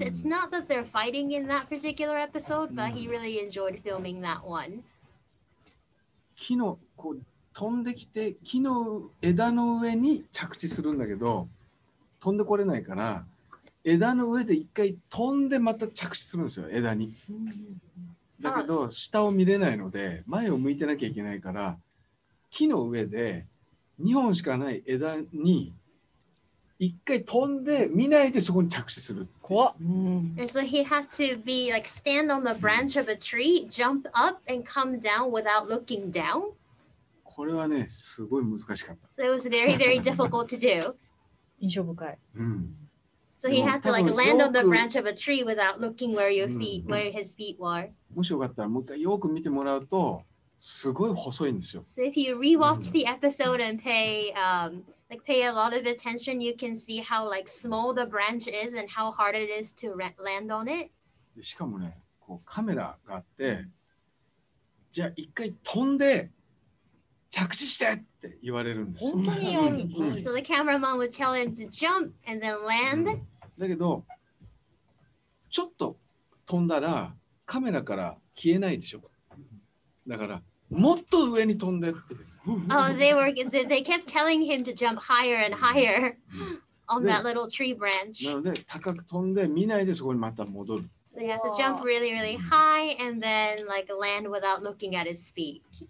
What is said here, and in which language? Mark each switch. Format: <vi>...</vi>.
<en>It's not that they're fighting in that particular episode, but he really enjoyed filming that one.</en> <ja>木の、こう飛んできて、木の枝の上に着地するんだけど、飛んでこれないから、枝の上で一回飛んでまた着地するんですよ、枝に。だけど下を見れないので、前を向いてなきゃいけないから、 木の上で2本しかない枝に一回飛んで見ないでそこに着地する。怖っ。</ja> <en>So he has to be like stand on the branch of a tree, jump up and come down without looking down.</en> <ja>これはね、すごい難しかった。</ja> <en>So it was very, very difficult to do.</en> <ja>印象深い。</ja> <en>So he had to like land on the branch of a tree without looking where your feet, where his feet were.</en> <ja>もしよかったらもう一回よく見てもらうとすごい細いんですよ。</ja> <en>So if you rewatch the episode and pay like pay a lot of attention, you can see how like small the branch is and how hard it is to land on it.</en> <ja>しかもね、こうカメラがあって、じゃあ一回飛んで着地してって言われるんです。本当に。</ja> <en>So the cameraman would tell him to jump and then land.</en> <ja>だけどちょっと飛んだら カメラから消えないでしょ。だからもっと上に飛んでって。Oh,</ja> <en>they were they kept telling him to jump higher and higher on that little tree branch.</en> <ja>なので高く飛んで見ないでそこにまた戻る。</ja> <en>They have to jump really really high and then like land without looking at his feet.</en>